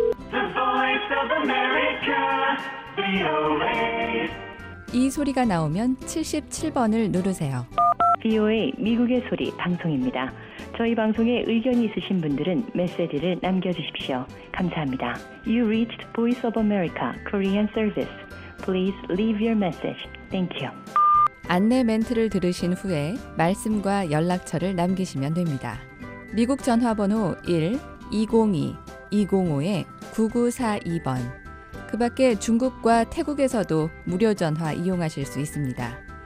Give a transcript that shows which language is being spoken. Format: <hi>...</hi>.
<en>The Voice of America, VOA.</en> <ko>이 소리가 나오면 77번을 누르세요. VOA 미국의 소리 방송입니다. 저희 방송에 의견이 있으신 분들은 메시지를 남겨주십시오. 감사합니다.</ko> <en>You reached Voice of America Korean Service. Please leave your message. Thank you.</en> <ko>안내 멘트를 들으신 후에 말씀과 연락처를 남기시면 됩니다. 미국 전화번호 1-202-205-9942번 그 밖에 중국과 태국에서도 무료 전화 이용하실 수 있습니다.</ko>